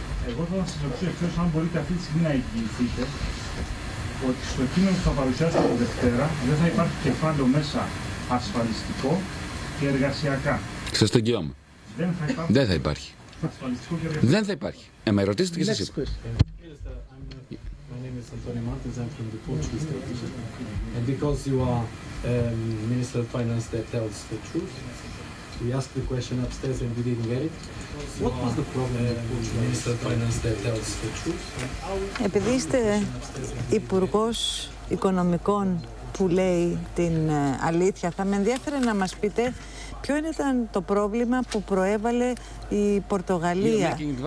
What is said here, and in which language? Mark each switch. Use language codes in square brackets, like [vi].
[el] Εγώ θα σας ρωτήσω ευθέως αν μπορείτε αυτή τη στιγμή να εγγυηθείτε ότι στο κείμενο που θα παρουσιάσετε από Δευτέρα δεν θα υπάρχει κεφάλαιο μέσα ασφαλιστικό και εργασιακά. Σας το εγγυώμαι. Δεν θα υπάρχει. Ασφαλιστικό και εργασιακό. Δεν θα υπάρχει. Με ρωτήσετε και σας είπα. [en] My name is Antonio Martins, I'm from the Portuguese Television. And because you are Minister of Finance that tells the truth, we asked the question upstairs and we didn't get it. What was the problem with the Minister of Finance that tells the truth? [el] Επειδή είστε υπουργός οικονομικών που λέει την αλήθεια, θα με ενδιαφέρει να μας πείτε ποιο ήταν το πρόβλημα που προέβαλε η Πορτογαλία.